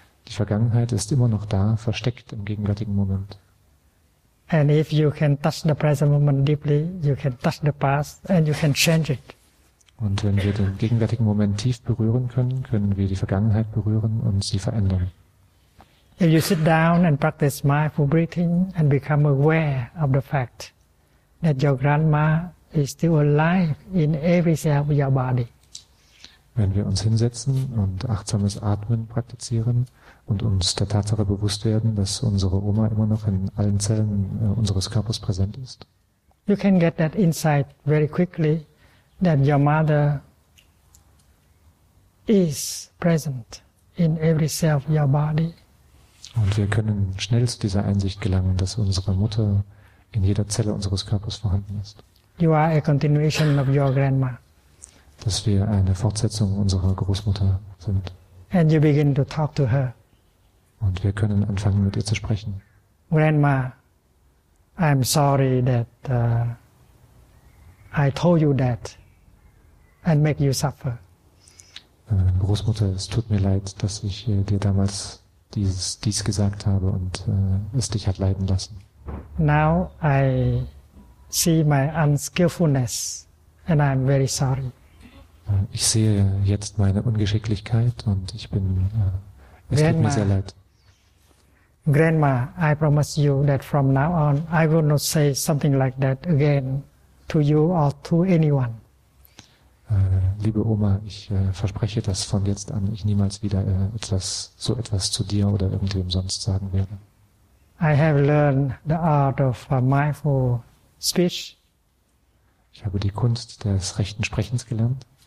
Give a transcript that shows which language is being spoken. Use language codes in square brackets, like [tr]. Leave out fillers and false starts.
[de] Die Vergangenheit ist immer noch da, versteckt im gegenwärtigen Moment. [en] And if you can touch the present moment deeply, you can touch the past and you can change it. [de] Und wenn wir den gegenwärtigen Moment tief berühren können, können wir die Vergangenheit berühren und sie verändern. [en] If you sit down and practice mindful breathing and become aware of the fact that your grandma is still alive in every cell of your body. [de] Wenn wir uns hinsetzen und achtsames Atmen praktizieren und uns der Tatsache bewusst werden, dass unsere Oma immer noch in allen Zellen unseres Körpers präsent ist. [en] You can get that insight very quickly that your mother is present in every cell of your body. [de] Und wir können schnell zu dieser Einsicht gelangen, dass unsere Mutter in jeder Zelle unseres Körpers vorhanden ist. [en] You are a continuation of your grandma. [de] Dass wir eine Fortsetzung unserer Großmutter sind. [en] And you begin to talk to her. [de] Und wir können anfangen, mit ihr zu sprechen. [en] Grandma, I'm sorry that I told you that and make you suffer. [de] Großmutter, es tut mir leid, dass ich dir damals dies gesagt habe und es dich hat leiden lassen. [en] Now I see my unskillfulness and I'm very sorry. [de] Ich sehe jetzt meine Ungeschicklichkeit und ich bin, es Grandma, tut mir sehr leid. [en] Grandma, I promise you that from now on I will not say something like that again to you or to anyone. [de] Liebe Oma, ich verspreche, dass von jetzt an ich niemals wieder etwas zu dir oder irgendwem sonst sagen werde. [en] I have learned the art of mindful speech. [de] Ich habe die Kunst des rechten Sprechens gelernt.